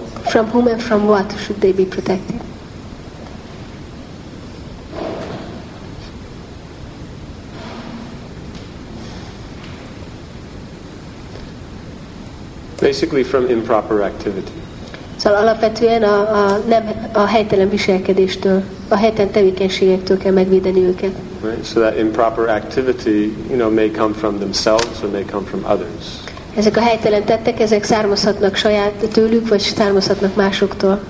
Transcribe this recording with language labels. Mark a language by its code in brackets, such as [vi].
[en] From whom and from what should they be protected? Basically from improper activity. [hu] Szóval alapvetően a helytelen viselkedéstől, a helytelen tevékenységektől kell megvédeni őket. [en] Right, so that improper activity, you know, may come from themselves or may come from others. [hu] Ezek a helytelen tettek, ezek származhatnak saját tőlük, vagy származhatnak másoktól.